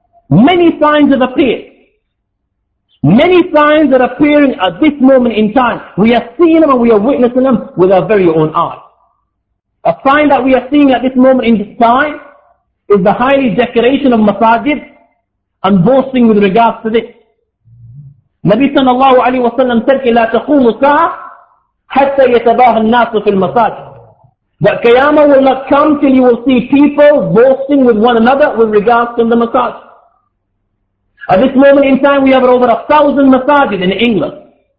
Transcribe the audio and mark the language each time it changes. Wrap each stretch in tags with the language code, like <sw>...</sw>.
<en>Many signs have appeared. Many signs are appearing at this moment in time. We are seeing them and we are witnessing them with our very own eyes. A sign that we are seeing at this moment in time is the highly decoration of masajid and boasting with regards to this. Nabi sallallahu alayhi wa sallam said,</en> <ar>إِلَّا تَقُومُ سَاعَةً حَتَّى يَتَبَاهَ النَّاسُ فِي الْمَسَاجِدِ.</ar> <en>That Qiyamah will not come till you will see people boasting with one another with regards to the masajid. At this moment in time, we have over 1,000 masajid in England.</en>